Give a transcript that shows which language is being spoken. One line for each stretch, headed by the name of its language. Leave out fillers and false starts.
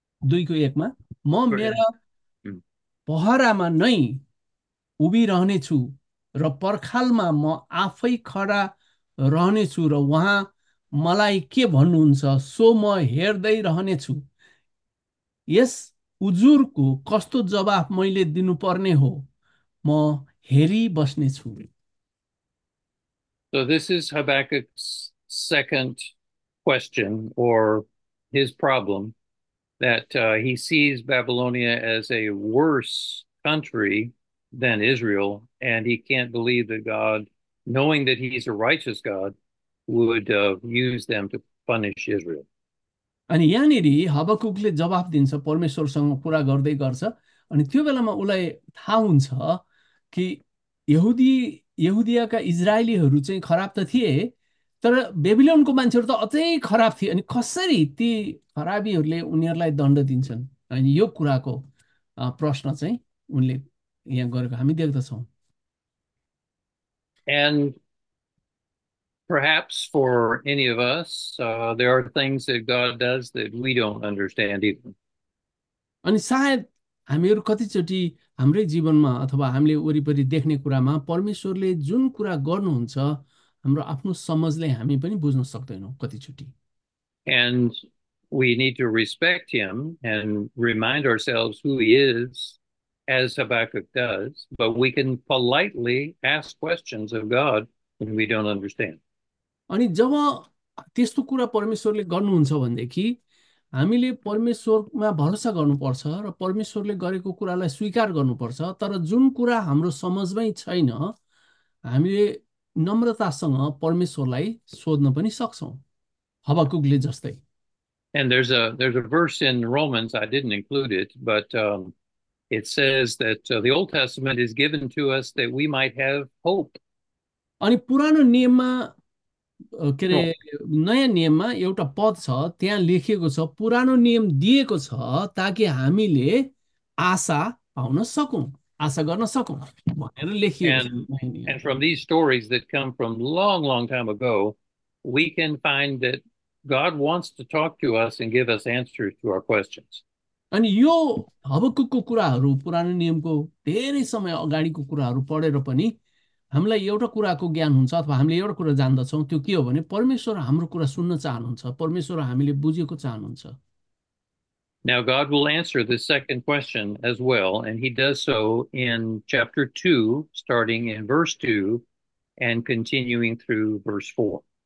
Nepali: 2:1 म मेरा पहरामा नै उभिरहनेछु र पर्खालमा म आफै खडा रहनेछु र उहाँ मलाई के भन्नुहुन्छ सो म हेर्दै रहनेछु। यस उजुरको कस्तो जवाफ मैले दिनुपर्ने हो? म हेरिबस्नेछु।
English: So this is Habakkuk's second question, or his problem, that he sees Babylonia as a worse country than Israel, and he can't believe that God, knowing that he's a righteous God, would use them to punish Israel.
Nepali: अनि यहाँनिर हबक्कुकले जवाफ दिन्छ, परमेश्वरसँग कुरा गर्दै गर्छ। अनि त्यो बेलामा उसलाई थाहा हुन्छ कि यहुदियाका इजरायलीहरू चाहिँ खराब त थिए, तर बेबिलोनको मान्छेहरू त अझै खराब थिए। अनि कसरी ती खराबीहरूले उनीहरूलाई दण्ड दिन्छन्? अनि यो कुराको प्रश्न चाहिँ उनले यहाँ गरेको हामी देख्दछौँ।
English: And perhaps for any of us, there are things that God does that we don't understand even.
Nepali: अनि सायद हामीहरू कतिचोटि हाम्रै जीवनमा अथवा हामीले वरिपरि देख्ने कुरामा परमेश्वरले जुन कुरा गर्नुहुन्छ हाम्रो आफ्नो समझले हामी पनि बुझ्न सक्दैनौँ कतिचोटि।
English: And we need to respect him and remind ourselves who he is, as Habakkuk does, but we can politely ask questions of God when we don't understand.
Nepali: अनि जब त्यस्तो कुरा परमेश्वरले गर्नुहुन्छ भनेदेखि हामीले परमेश्वरमा भरोसा गर्नुपर्छ र परमेश्वरले गरेको कुरालाई स्वीकार गर्नुपर्छ। तर जुन कुरा हाम्रो समझमै छैन, हामीले नम्रतासँग परमेश्वरलाई सोध्न पनि सक्छौँ, हबक्कुकले जस्तै।
English: And there's a verse in Romans, I didn't include it, but it says that the Old Testament is given to us that we might have hope.
Nepali: अनि पुरानो नियममा के अरे
English: Hope.
Nepali: नयाँ नियममा एउटा पद छ, त्यहाँ लेखिएको छ पुरानो नियम दिएको छ ताकि हामीले आशा पाउन सकौँ, आशा गर्न सकौँ भनेर लेखिएको छ नयाँ
English: And
Nepali: नियममा।
English: from these stories that come from long, long time ago, we can find that God wants to talk to us and give us answers to our questions.
Nepali: अनि यो हबक्कुकको कुराहरू, पुरानो नियमको धेरै समय अगाडिको कुराहरू पढेर पनि हामीलाई एउटा कुराको ज्ञान हुन्छ, अथवा हामीले एउटा कुरा जान्दछौँ, त्यो के हो भने परमेश्वर हाम्रो कुरा सुन्न चाहनुहुन्छ, परमेश्वर हामीले बुझेको चाहनुहुन्छ।
English: Now God will answer the second question as well, and he does so in chapter 2, starting in verse 2 and continuing through verse 4.